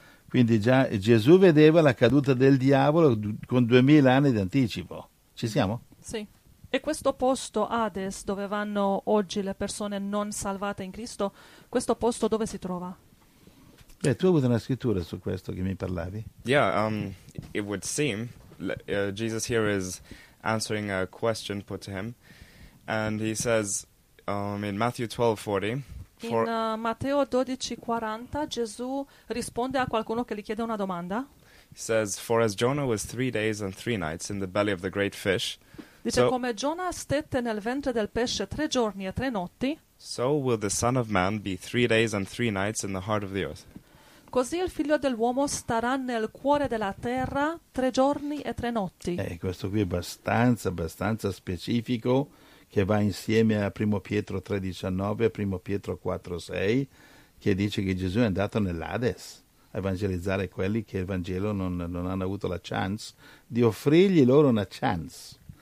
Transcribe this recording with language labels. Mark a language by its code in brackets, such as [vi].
[it] Quindi già Gesù vedeva la caduta del diavolo con 2000 anni di anticipo. Ci siamo? Sì. E questo posto Hades, dove vanno oggi le persone non salvate in Cristo, questo posto dove si trova? Beh, tu hai avuto una scrittura su questo che mi parlavi? [en] Yeah, it would seem Jesus here is answering a question put to him, and he says, in Matthew 12:40. [it] In Matteo 12:40, Gesù risponde a qualcuno che gli chiede una domanda. [en] He says, "For as Jonah was 3 days and three nights in the belly of the great fish." [it] Dice, so, come Giona stette nel ventre del pesce 3 giorni e 3 notti. [en] So will the Son of Man be 3 days and three nights in the heart of the earth. [it] Così il figlio dell'uomo starà nel cuore della terra 3 giorni e 3 notti. Questo qui è abbastanza specifico, che va insieme a 1 Pietro 3:19 e 1 Pietro 4:6, che dice che Gesù è andato nell'Hades a evangelizzare quelli che il Vangelo non hanno avuto la chance di offrirgli loro una chance.